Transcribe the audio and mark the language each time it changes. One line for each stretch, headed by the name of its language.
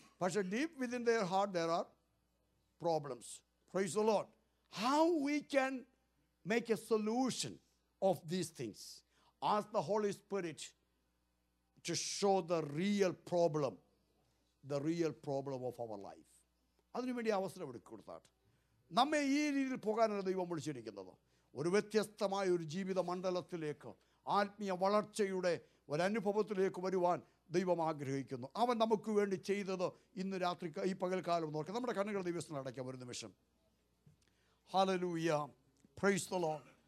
English: പക്ഷെ deep within their heart there are problems. Praise the lord. How we can make a solution of these things? Ask the holy spirit to show the real problem. The real problem of our life.
Malayalam: അതിനുവേണ്ടി അവസരം എടുക്കുക. നമ്മെ ഈ രീതിയിൽ പോകാനാണ് ദൈവം വിളിച്ചിരിക്കുന്നത്. ഒരു വ്യത്യസ്തമായ ഒരു ജീവിത മണ്ഡലത്തിലേക്ക്, ആത്മീയ വളർച്ചയുടെ ഒരനുഭവത്തിലേക്ക് വരുവാൻ ദൈവം ആഗ്രഹിക്കുന്നു. അവൻ നമുക്ക് വേണ്ടി ചെയ്തത് ഇന്ന് രാത്രി ഈ പകൽക്കാലം നോക്കാം. നമ്മുടെ കണ്ണുകൾ ദൈവത്തിന് അടയ്ക്കാം ഒരു നിമിഷം. ഹല്ലേലൂയ.
English: Praise the lord.